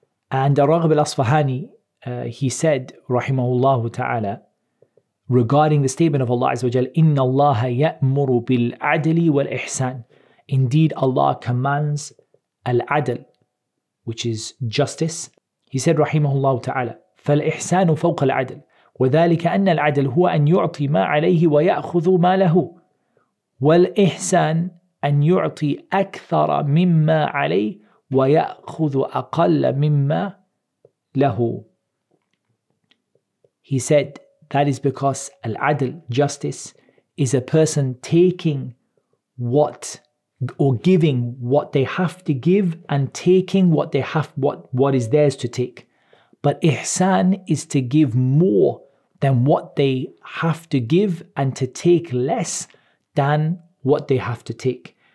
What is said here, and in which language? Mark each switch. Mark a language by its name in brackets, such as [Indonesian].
[English] And Raghib al-Asfahani, he said, rahimahullah ta'ala, regarding the statement of Allah Azza wa Jal, [Arabic] إِنَّ اللَّهَ يَأْمُرُ بِالْعَدْلِ وَالْإِحْسَانِ. [English] Indeed, Allah commands al-adl, which is justice. He said, rahimahullah ta'ala, [Arabic] فَالْإِحْسَانُ فَوْقَ الْعَدْلِ وَذَلِكَ أَنَّ الْعَدْلِ هُوَ أَنْ يُعْطِي مَا عَلَيْهِ وَيَأْخُذُ مَا لَهُ وَالْإِحْسَانُ أَنْ يُعْطِي أَكْثَرَ مِمَّا عَلَيْهِ وَيَأْخُذُ أَقَلَّ مِمَّا لَهُ. [English] He said that is because al-adl, justice, is a person taking what, or giving what they have to give and taking what they have, what is theirs to take. But ihsan is to give more than what they have to give and to take less than what they have to take.